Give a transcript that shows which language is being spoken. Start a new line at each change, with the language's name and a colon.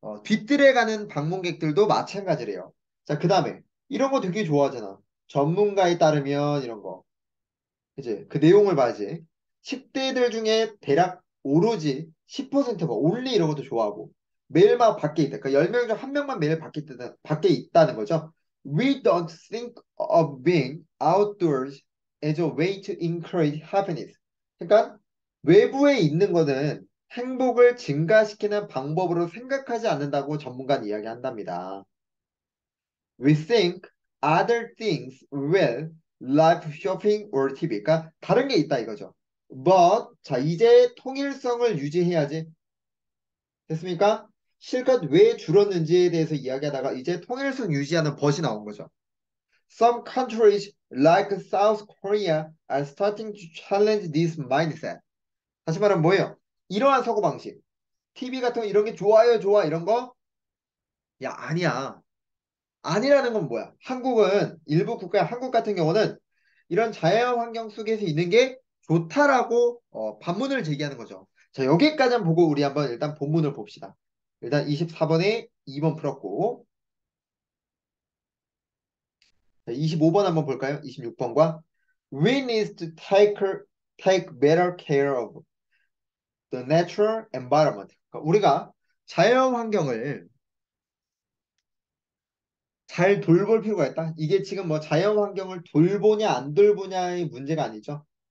Korean: 뒤뜰에 가는 방문객들도 마찬가지래요. 자, 그 다음에 이런 거 되게 좋아하잖아. 전문가에 따르면 이런 거. 이제 그 내용을 봐야지. 10대들 중에 대략 오로지 10%가 온리 이런 것도 좋아하고 매일마다 밖에 있다. 그러니까 10명 중한 명만 매일 밖에 있다는 거죠.
English: We don't think of being outdoors as a way to encourage happiness.
Korean: 그러니까 외부에 있는 거는 행복을 증가시키는 방법으로 생각하지 않는다고 전문가는 이야기한답니다.
English: We think other things will, like shopping or TV.
Korean: 그러니까 다른 게 있다 이거죠. But, 자, 이제 통일성을 유지해야지. 됐습니까? 실컷 왜 줄었는지에 대해서 이야기하다가 이제 통일성 유지하는 벗이 나온 거죠.
English: Some countries like South Korea are starting to challenge this mindset.
Korean: 다시 말하면 뭐예요? 이러한 사고방식. TV 같은 거 이런 게 좋아요, 좋아, 이런 거? 야, 아니야. 아니라는 건 뭐야? 한국은, 일부 국가야, 한국 같은 경우는 이런 자연환경 속에서 있는 게 좋다라고 반문을 제기하는 거죠. 자, 여기까지만 보고 우리 한번 일단 본문을 봅시다. 일단 24번에 2번 풀었고. 자, 25번 한번 볼까요? 26번과.
English: We need to take better care of the natural environment.
Korean: 그러니까 우리가 자연환경을 잘 돌볼 필요가 있다. 이게 지금 뭐 자연환경을 돌보냐 안 돌보냐의 문제가 아니죠.